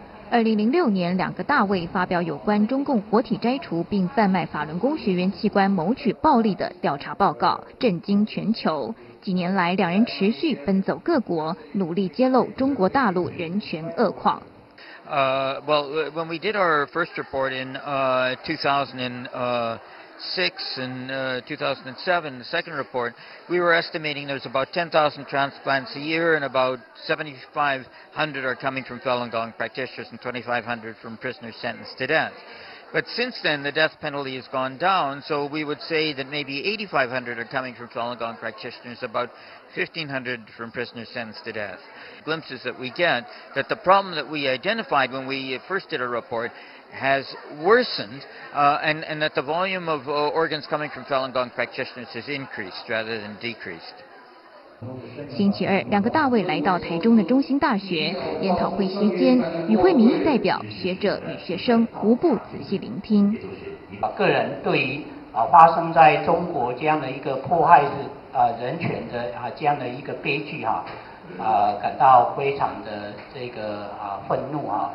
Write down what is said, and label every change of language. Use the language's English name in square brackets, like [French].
[Chinese] 2006年，两个大卫发表有关中共活体摘除并贩卖法轮功学员器官谋取暴利的调查报告，震惊全球。几年来，两人持续奔走各国，努力揭露中国大陆人权恶况。 [English] Well, when we did our first report in 2006 and 2007, the second report, we were estimating there's about 10,000 transplants a year and about 7,500 are coming from Falun Gong practitioners and 2,500 from prisoners sentenced to death. But since then, the death penalty has gone down, so we would say that maybe 8,500 are coming from Falun Gong practitioners, about 1,500 from prisoners sentenced to death. Glimpses that we get that the problem that we identified when we first did a report has worsened, and that the volume of organs coming from Falun Gong practitioners has increased rather than decreased. [Chinese] 星期二，两个大卫来到台中的中兴大学研讨会期间，与会民意代表、学者与学生无不仔细聆听。个人对于发生在中国这样的一个迫害人权的这样的一个悲剧感到非常的这个愤怒